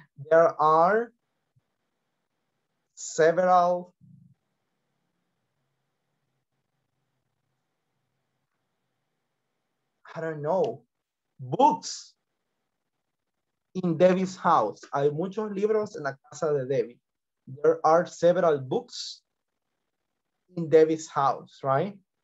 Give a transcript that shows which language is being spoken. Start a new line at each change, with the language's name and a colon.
English: There are several I don't know, books in Debbie's house.
Spanish: Hay muchos libros en la casa de Debbie.
English: There are several books in Debbie's house, right?